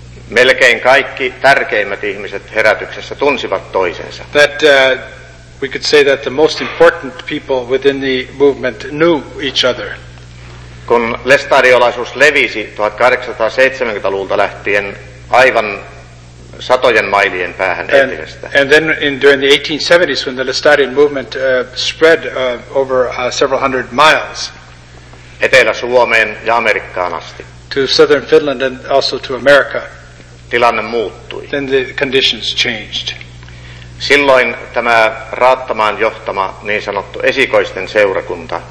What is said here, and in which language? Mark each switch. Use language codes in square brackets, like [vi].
[fi] Melkein kaikki tärkeimmät ihmiset herätyksessä tunsivat toisensa. [en] That we could say that the most important people within the movement knew each other. [fi] Kun lestadiolaisuus levisi 1870-luvulta lähtien aivan satojen mailien päähän etelästä. [en] And then during the 1870s, when the Lestadian movement spread over several hundred miles, [fi] Etelä-Suomeen ja Amerikkaan asti, [en] to southern Finland and also to America, [fi] tilanne muuttui. [en] Then the conditions changed. [fi] Silloin tämä Raattamaan johtama niin sanottu esikoisten seurakunta,